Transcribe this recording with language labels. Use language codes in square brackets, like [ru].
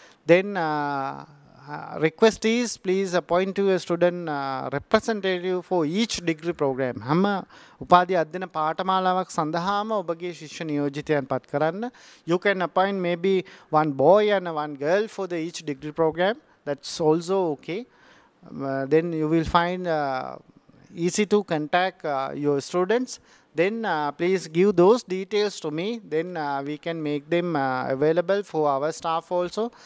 [en] Then request is please appoint to a student representative for each degree program. [si] හැම උපාධි අධ්‍යන පාඨමාලාවක් සඳහාම ඔබගේ ශිෂ්‍ය නියෝජිතයන් පත් කරන්න. [en] You can appoint maybe one boy and one girl for the each degree program. That's also okay. Then you will find easy to contact your students. Then please give those details to me. Then we can make them available for our staff also.